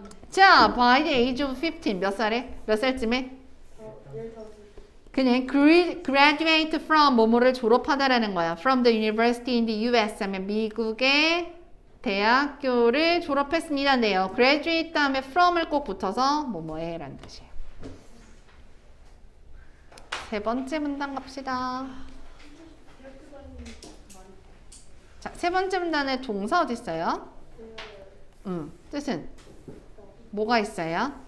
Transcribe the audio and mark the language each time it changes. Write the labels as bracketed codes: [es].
[en] 자, by the age of 15, [ko] 몇 살에? 몇 살쯤에? 그냥 [en] graduate from [ko] 뭐뭐를 졸업하다라는 거야. [en] From the university in the US [ko] 하면 미국의 대학교를 졸업했습니다네요. graduate 다음에 from을 꼭 붙어서 뭐뭐에라는 뜻이에요. 세 번째 문단 갑시다. 자, 세 번째 문단에 동사 어디 있어요? 뜻은 뭐가 있어요?